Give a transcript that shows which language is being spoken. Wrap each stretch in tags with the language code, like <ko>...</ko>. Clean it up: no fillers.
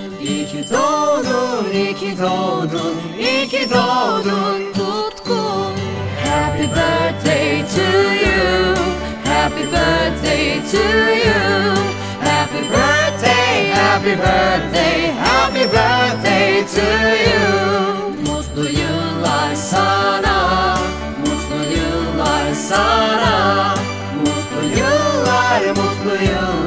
<tr>iyi ki doğdun, iyi ki doğdun, iyi ki doğdun Tutkun.</tr> <en>Happy birthday to you, happy birthday to you, happy birthday, happy birthday, happy birthday to you.</en> <tr>Mutlu yıllar sana, mutlu yıllar sana, mutlu yıllar, mutlu yıllar.</tr>